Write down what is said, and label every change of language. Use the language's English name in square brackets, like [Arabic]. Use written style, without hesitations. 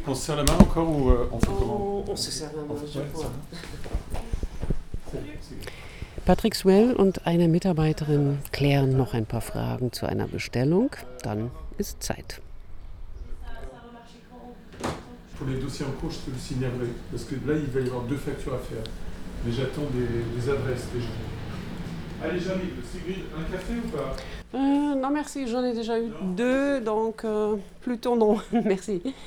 [French] On se serre la main encore ou on fait comment ? On se serre la main, je crois. [German] Patrick Suell und eine Mitarbeiterin klären noch ein paar Fragen zu einer Bestellung. Dann ist Zeit. [French] Pour les dossiers en cours, je peux le signaler. Parce que là, il va y avoir deux factures à faire. Mais j'attends des adresses déjà. Allez, j'arrive. Sigrid, un café ou pas ? Non, merci, j'en ai déjà eu non. Deux, donc plutôt non, merci.